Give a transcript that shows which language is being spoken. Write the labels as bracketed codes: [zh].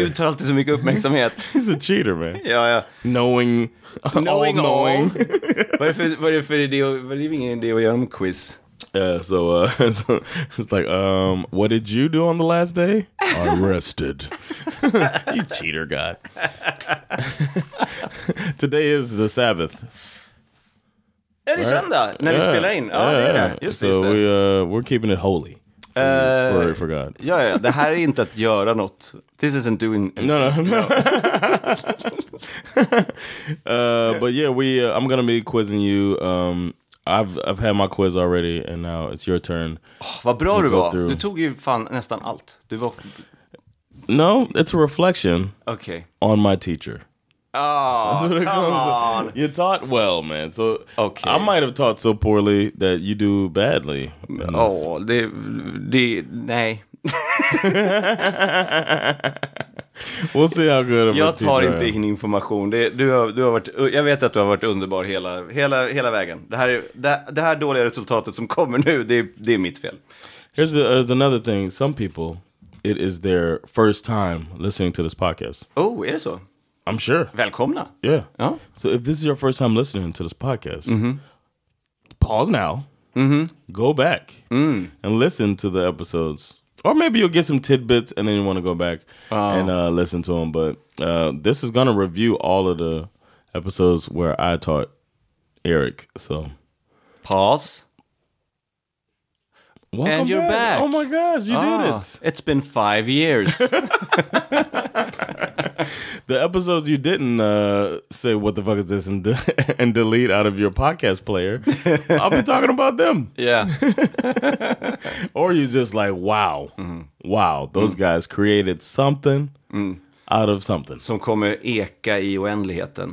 [sv] Gud tar alltid så mycket uppmärksamhet. [en] He's a cheater, man. [sv] Ja. [en] Knowing. [sv] Vad är det för idé att göra en quiz? [en] Yeah, so it's like, what did you do on the last day? I rested. You cheater, God. Today is the Sabbath. [sv] Är det söndag när vi spelar in? Ja, det är det. Just [en] so [sv] det. [en] We're keeping it holy for God. [sv] Ja, det här är inte att göra något. [en] This isn't doing anything. No. but yeah, I'm going to be quizzing you... I've had my quiz already and now it's your turn. [sv] Oh, vad bra du var. [en] Through. [sv] Du tog ju fan nästan allt. Du var [en] No, it's a reflection. Okay. On my teacher. Oh, come on. You taught well, man. So okay. I might have taught so poorly that you do badly. [sv] Oh, nej. [en] We'll see how good [sv] jag tar inte in information. Jag vet att du har varit underbar hela vägen. Det här dåliga resultatet som kommer nu, det är mitt fel. [en] Here's another thing. Some people, it is their first time listening to this podcast. [sv] Oh, är det så? [en] I'm sure. [sv] Välkomna. [en] Yeah. [sv] Ja. [en] So if this is your first time listening to this podcast, mm-hmm. pause now. Mm-hmm. Go back and listen to the episodes. Or maybe you'll get some tidbits and then you want to go back and listen to them. But this is going to review all of the episodes where I taught Eric. So pause. Welcome and you're back. Oh my gosh, you did it. It's been 5 years. The episodes you didn't say what the fuck is this and delete out of your podcast player, I'll be talking about them. Yeah. Or you just like, wow, wow, those guys created something out of something. [sv] Som kommer eka i oändligheten.